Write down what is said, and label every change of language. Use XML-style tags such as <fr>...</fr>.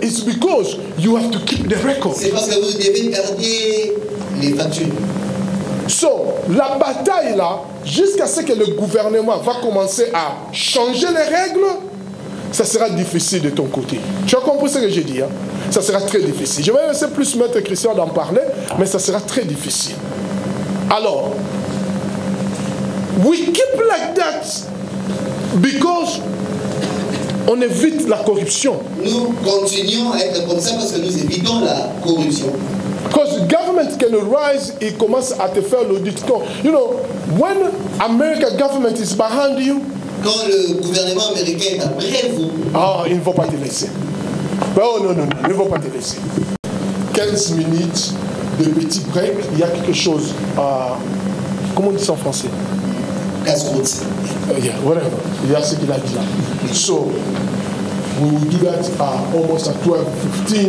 <en>It's because you have to keep the record.</en> <fr>C'est parce que vous devez garder les factures. So, la bataille là, jusqu'à ce que le gouvernement va commencer à changer les règles, ça sera difficile de ton côté. Tu as compris ce que j'ai dit, hein? Ça sera très difficile. Je vais laisser plus Maître Christian d'en parler, mais ça sera très difficile.</fr> <en>Alors, we keep like that because</en> <fr>on évite la corruption. Nous continuons à être comme ça parce que nous évitons la corruption.</fr> <en>Because government can arise, it</en> <fr>commence à te faire l'audit.</fr> <en>You know, when American government is behind you,</en> <fr>quand le gouvernement américain est après vous, ils ne vont pas te laisser. Oh non, ils ne vont pas te laisser. 15 minutes de petit break, il y a quelque chose à... Comment on dit ça en français? Il y a ce qu'il a dit là. So,</fr> <en>we will do that almost at 12:15.</en>